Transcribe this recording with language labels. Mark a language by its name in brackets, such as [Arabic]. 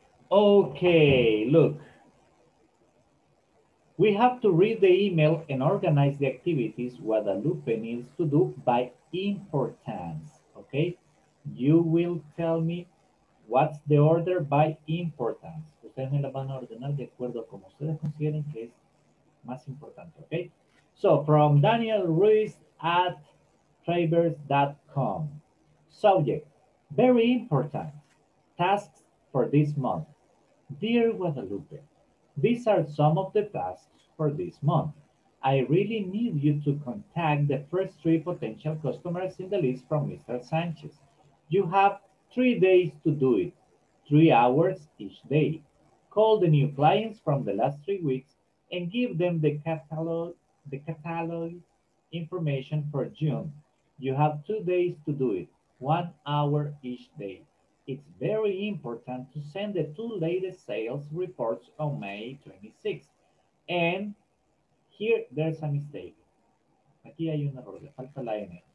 [English] Okay, look. We have to read the email and organize the activities Guadalupe needs to do by importance, okay? You will tell me what's the order by importance. [Spanish] Ustedes me la van a ordenar de acuerdo como ustedes consideren que es más importante, okay? [English] So, from danielruiz@travers.com. Subject, very important. Tasks for this month. Dear Guadalupe, these are some of the tasks for this month. I really need you to contact the first three potential customers in the list from Mr. Sanchez. You have 3 days to do it, 3 hours each day. Call the new clients from the last 3 weeks and give them the catalog information for June. You have 2 days to do it, 1 hour each day. It's very important to send the 2 latest sales reports on May 26th. And here, there's a mistake. [Spanish] Aquí hay un error, le falta la N.